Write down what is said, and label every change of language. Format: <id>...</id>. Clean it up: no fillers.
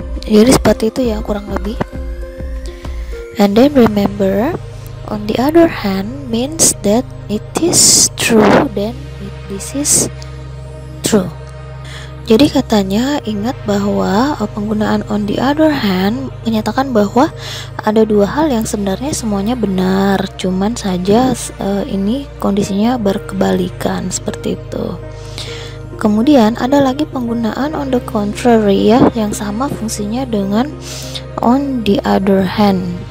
<id>Jadi seperti itu ya, kurang lebih.</id> <en>And then remember, on the other hand means that it is true, then this is true.</en> <id>Jadi katanya, ingat bahwa penggunaan on the other hand menyatakan bahwa ada dua hal yang sebenarnya semuanya benar, cuman saja ini kondisinya berkebalikan, seperti itu. Kemudian ada lagi penggunaan on the contrary ya, yang sama fungsinya dengan on the other hand.</id>